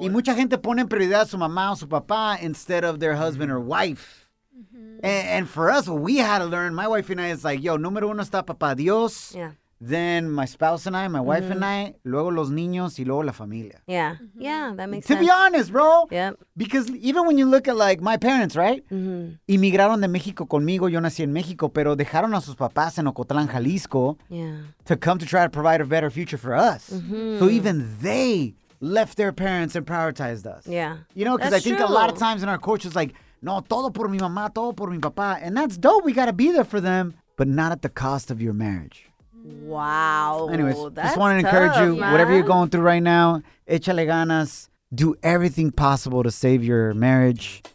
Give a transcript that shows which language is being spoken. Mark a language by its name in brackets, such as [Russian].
[Spanish] Y mucha gente pone en prioridad a su mamá o su papá [English] instead of their husband or wife. [Spanish] Mm-hmm. [English] And for us, what we had to learn, my wife and I, is like, yo, [Spanish] número uno está papá Dios. [English] Yeah. Then my spouse and I, my wife and I, [Spanish] luego los niños y luego la familia. [English] Yeah, mm-hmm. Yeah, that makes sense. To be honest, bro. Yep. Because even when you look at like my parents, right? Mm-hmm. [Spanish] Inmigraron de México conmigo, yo nací en México, pero dejaron a sus papás en Ocotlán, Jalisco. [English] Yeah. To come to try to provide a better future for us. Mm-hmm. So even they left their parents and prioritized us. Yeah. You know, because I think true. A lot of times in our culture, it's like, [Spanish] no, todo por mi mamá, todo por mi papá. [English] And that's dope. We got to be there for them, but not at the cost of your marriage. Wow. Anyways, just want to encourage you, whatever you're going through right now, [Spanish] échale ganas, [English] do everything possible to save your marriage.